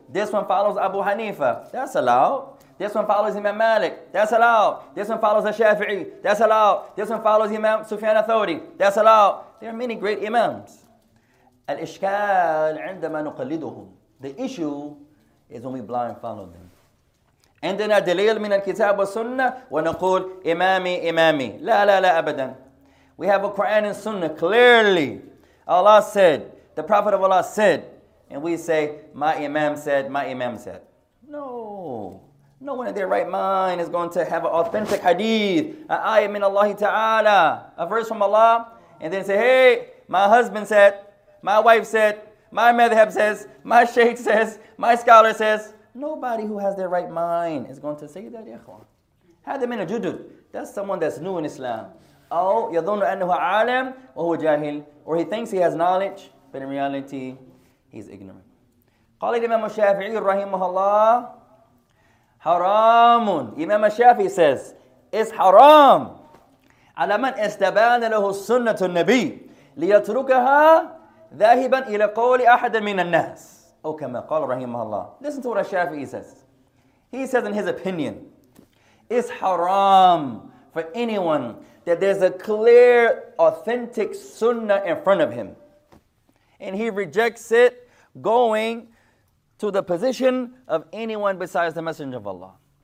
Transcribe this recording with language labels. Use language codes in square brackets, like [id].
[en] This one follows Abu Hanifa. That's allowed. This one follows Imam Malik. That's allowed. This one follows Al-Shafi'i. That's allowed. This one follows Imam Sufyan al-Thawri. That's allowed. There are many great imams. [ar] Al-ishkal عندما نقلدهم. [en] The issue is when we blind follow them. [ar] عندنا دليل من الكتاب والسنة ونقول إمامي إمامي. لا لا لا أبدا. [en] We have a Quran and Sunnah clearly. Allah said, the Prophet of Allah said, and we say, my Imam said, my Imam said. No. No one in their right mind is going to have an authentic hadith, an ayah min Allah Ta'ala, a verse from Allah, and then say, hey, my husband said, my wife said, my madhab says, my sheikh says, my scholar says. Nobody who has their right mind is going to say that, ya ikhwan. Had them in a judud. That's someone that's new in Islam. [ar] أو يظن أنه عالم وهو جاهل. [en] Or he thinks he has knowledge, but in reality, he's ignorant. [ar] قال الإمام الشافعي رحمه الله حرام. [en] Imam al-Shafi says, it's [ar] حرام على من استبان له السنة النبي ليتركها ذاهبا إلى قول أحد من الناس. أو كما قال رحمه الله. [en] Listen to what al-Shafi says. He says in his opinion, it's حرام for anyone that there's a clear, authentic sunnah in front of him. And he rejects it going to the position of anyone besides the Messenger of Allah.